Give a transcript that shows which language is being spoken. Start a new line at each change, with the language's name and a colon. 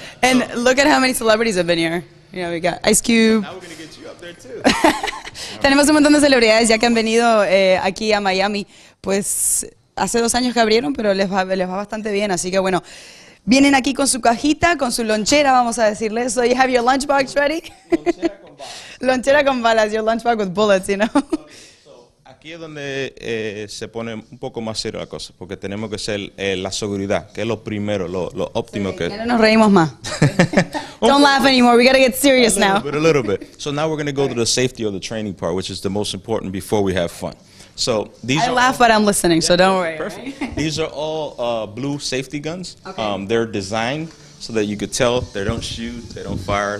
English: And look at how many celebrities have been here. You know, we got Ice Cube. Now we're going to get you up there, too.
Spanish: Tenemos un montón de celebridades ya que han venido aquí a Miami. Pues. Hace 2 años que abrieron, pero les va bastante bien, así que bueno. Vienen aquí con su cajita, con su lonchera, vamos a decirle.
English: So you have your lunchbox ready?
Spanish: Lonchera con balas. Lonchera con balas,
English: your lunchbox with bullets, you know?
Spanish: Aquí es donde se pone un poco más serio la cosa, porque tenemos que ser la seguridad, que es lo primero, lo óptimo sí, que ya no nos reímos más.
English: Don't laugh anymore, we gotta get serious now. A little bit. So now we're gonna go to the safety or the training part, which is the most important before we have fun. So these I laugh, all, but I'm listening, yeah, so don't worry. Perfect. Right? These are all blue safety guns. Okay. They're designed so that you could tell they don't shoot, they don't fire.